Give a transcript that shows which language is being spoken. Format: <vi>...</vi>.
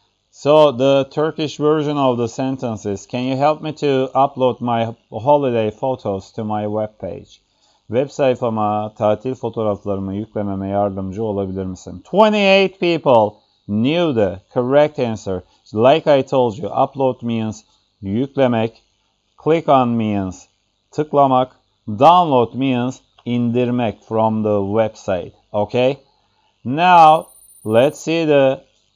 <en>So the Turkish version of the sentence is, can you help me to upload my holiday photos to my webpage?</en> <tr>Web sayfama tatil fotoğraflarımı yüklememe yardımcı olabilir misin?</tr> <en>28 people knew the correct answer. Like I told you, upload means yüklemek, click on means tıklamak, download means indirmek from the website. Okay? Now, let's see the...</en>